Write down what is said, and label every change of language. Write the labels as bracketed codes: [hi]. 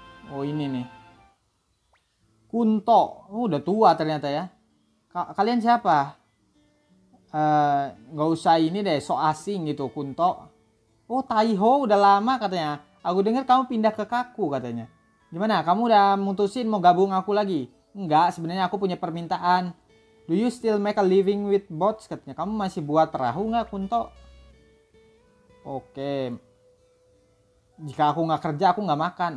[id] Oh, ini nih. Kunto. Udah tua ternyata ya. Kalian siapa? Gak usah ini deh, sok asing gitu Kunto. Oh, Taiho udah lama katanya. Aku dengar kamu pindah ke Kaku katanya. Gimana, kamu udah mutusin mau gabung aku lagi? Enggak, sebenarnya aku punya permintaan. [en] Do you still make a living with boats katanya? [id] Kamu masih buat perahu gak Kunto? Oke. Jika aku gak kerja, aku gak makan.